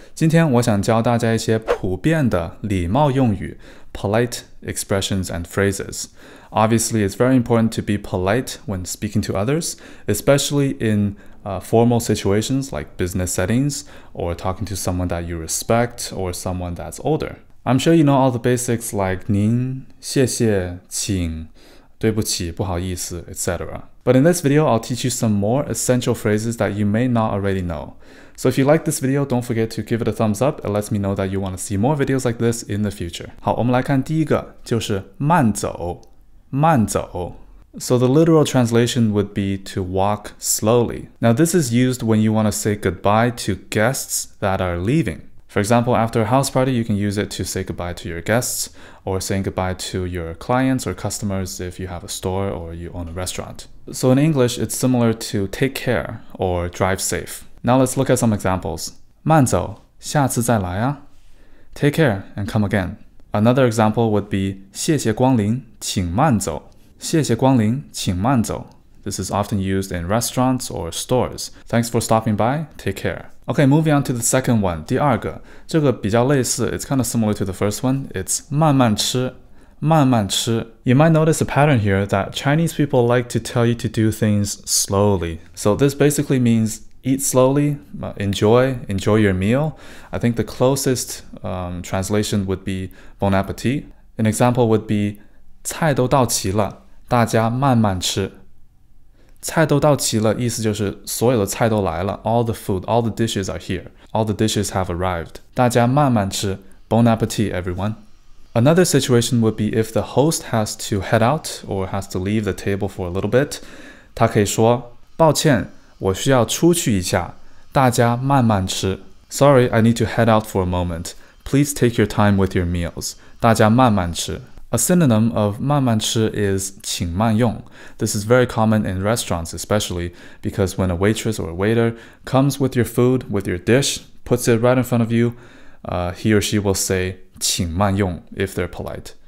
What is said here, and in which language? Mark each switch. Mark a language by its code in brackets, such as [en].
[zh] 今天我想教大家一些普遍的礼貌用语 [en] polite expressions and phrases. Obviously, it's very important to be polite when speaking to others, especially in formal situations like business settings or talking to someone that you respect or someone that's older. I'm sure you know all the basics like [zh] 您、谢谢、请、对不起、不好意思、 [en] etc. But in this video, I'll teach you some more essential phrases that you may not already know. So if you like this video, don't forget to give it a thumbs up. It lets me know that you want to see more videos like this in the future. [zh] 好，我们来看第一个，就是慢走，慢走。 [en] So the literal translation would be to walk slowly. Now this is used when you want to say goodbye to guests that are leaving. For example, after a house party, you can use it to say goodbye to your guests or saying goodbye to your clients or customers if you have a store or you own a restaurant. So in English, it's similar to take care or drive safe. Now let's look at some examples. [zh] 慢走，下次再来啊。 [en] Take care and come again. Another example would be [zh] 谢谢光临，请慢走。谢谢光临，请慢走。 [en] This is often used in restaurants or stores. Thanks for stopping by. Take care. Okay, moving on to the second one. [zh] 第二个，这个比较类似， [en] it's kind of similar to the first one. [zh] It's 慢慢吃。慢慢吃。 [en] You might notice a pattern here that Chinese people like to tell you to do things slowly. So this basically means eat slowly, enjoy your meal. I think the closest translation would be bon appetit. An example would be [zh] 菜都到齐了，大家慢慢吃。菜都到齐了，意思就是所有的菜都来了。 [en] All the food, all the dishes are here. All the dishes have arrived. [zh] 大家慢慢吃。 [en] Bon appetit, everyone. Another situation would be if the host has to head out or has to leave the table for a little bit. [zh] 他可以说，抱歉，我需要出去一下，大家慢慢吃。 [en] Sorry, I need to head out for a moment. Please take your time with your meals. [zh] 大家慢慢吃。 [en] A synonym of 慢慢吃 is 请慢用。 This is very common in restaurants especially because when a waitress or a waiter comes with your food, with your dish, puts it right in front of you, he or she will say,请慢用 if they're polite.